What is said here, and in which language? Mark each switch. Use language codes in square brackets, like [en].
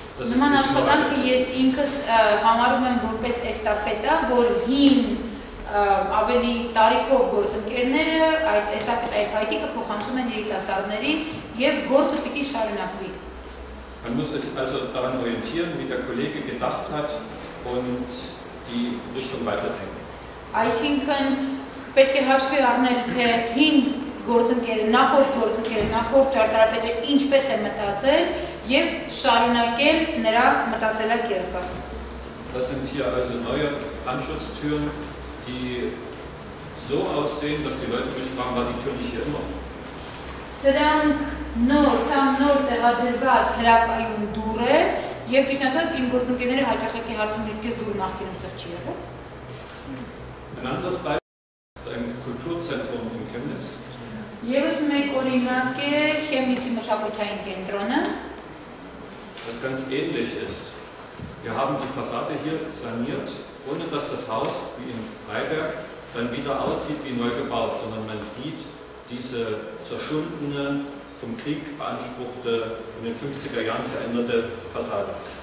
[hy] Նման աշխատանքը ես ինքս համարում եմ որպես էստաֆետա, որ հին ավելի տարիքով գործընկերները այդ էստաֆետայի փայտիկը փոխանցում են երիտասարդների և գործը պիտի շարունակվի։ [de] Man muss sich also daran orientieren, wie der Kollege gedacht hat und die Richtung weiterdenken. [hy] Այսինքն պետք է հաշվի առնել, թե հին գործընկերը, նախորդ ճարտարապետը ինչպես է մտածել, և շարունակել նրա մտածելակերպը։ [de] Das sind hier also neue Brandschutztüren, die so aussehen, dass die Leute mich fragen, war die Tür nicht hier immer? [hy] Սրանք նոր, սան նոր տեղադրված հրակայուն դուր է, և կիշնացած իմ գործընկերները հաճախակի հարցում իսկես դուր նախկինում ստեղ չի եղը։ [de] Ein anderes Beispiel ein Kulturzentrum in Chemnitz. [hy] Եվս մեկ օրինակ է Քեմնիցի մշակութային կենտրոնը. [de] Das ganz ähnlich ist. Wir haben die Fassade hier saniert, ohne dass das Haus wie in Freiberg dann wieder aussieht wie neu gebaut, sondern man sieht diese zerschundene, vom Krieg beanspruchte, in den 50er Jahren veränderte Fassade.